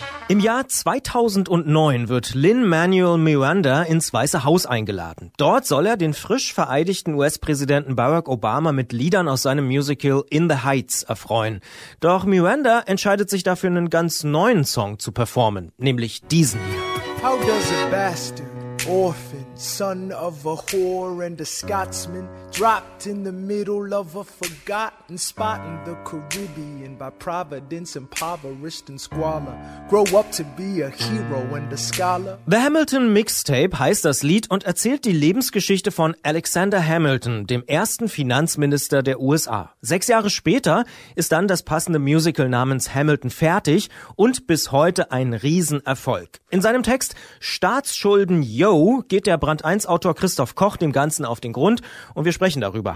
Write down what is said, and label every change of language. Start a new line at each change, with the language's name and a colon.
German: Im Jahr 2009 wird Lin-Manuel Miranda ins Weiße Haus eingeladen. Dort soll er den frisch vereidigten US-Präsidenten Barack Obama mit Liedern aus seinem Musical In the Heights erfreuen. Doch Miranda entscheidet sich dafür, einen ganz neuen Song zu performen, nämlich diesen hier.
English: How does a bastard, orphan, son of a whore and a Scotsman, dropped in the middle of a forgotten spot in the Caribbean by providence, impoverished and squalor, grow up to be a hero and a scholar?
German: The Hamilton Mixtape heißt das Lied und erzählt die Lebensgeschichte von Alexander Hamilton, dem ersten Finanzminister der USA. 6 Jahre später ist dann das passende Musical namens Hamilton fertig und bis heute ein Riesenerfolg. In seinem Text Staatsschulden Yo geht der Brand 1 Autor Christoph Koch dem Ganzen auf den Grund und wir sprechen darüber.